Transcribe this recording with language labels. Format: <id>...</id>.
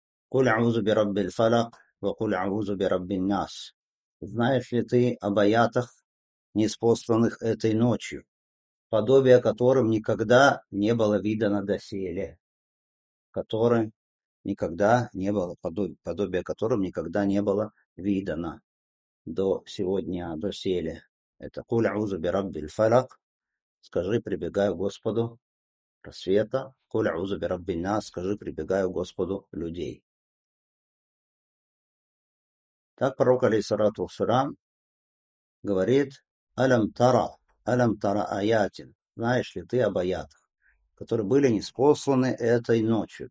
<ar>قل أعوذ برب الفلق وقل أعوذ برب الناس.</ar> <ru>Знаешь ли ты об аятах, ниспосланных этой ночью, подобие которым никогда не было видано доселе, которым никогда не было подобие которым никогда не было видано до сегодня доселе. Это</ru> <ar>قل أعوذ برب الفلق.</ar> <ru>Скажи, прибегаю к Господу рассвета.</ru> <ar>قل أعوذ برب الناس.</ar> <ru>Скажи, прибегаю к Господу людей. Так пророк, алейхиссалату вассалям, говорит,</ru> <ar>алам тара аятин,</ar> <ru>знаешь ли ты об аятах, которые были ниспосланы этой ночью.</ru>